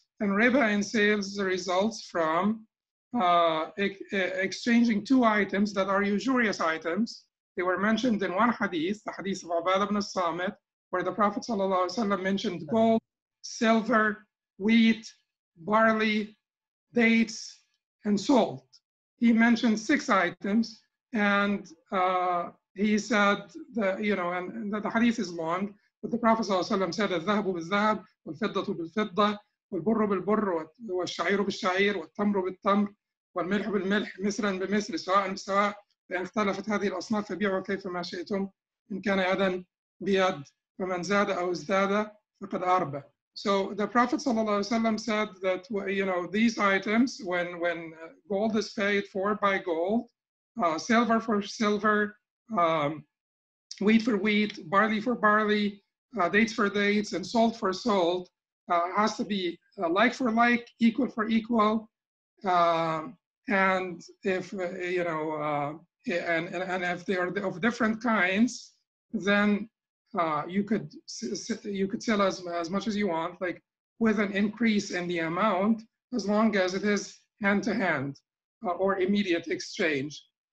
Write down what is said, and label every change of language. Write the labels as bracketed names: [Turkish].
[English] And riba in sales results from exchanging two items that are usurious items. They were mentioned in one hadith, the hadith of Ubad ibn al-Samit, where the Prophet ﷺ mentioned gold, silver, wheat, barley, dates, and salt. He mentioned six items, and he said, that the hadith is long, but the Prophet ﷺ said, [Arabic] الذهب بالذهب والفضة بالفضة والبر بالبر والشعير بالشعير والتمر بالتمر والملح بالملح مصرا بمصر سواء بسواء. لأن اختلفت هذه الأصناف فبيعوا كيف ما شئتم إن كان يدا بيد فمن زاد أو ازداد فقد أربى. [English] So the Prophet [Arabic] صلى الله عليه وسلم [English] said that these items when gold is paid for by gold, silver for silver, wheat for wheat, barley for barley, dates for dates, and salt for salt has to be like for like, equal for equal, and if and if they are of different kinds, then you could sell as much as you want, like with an increase in the amount, as long as it is hand to hand or immediate exchange.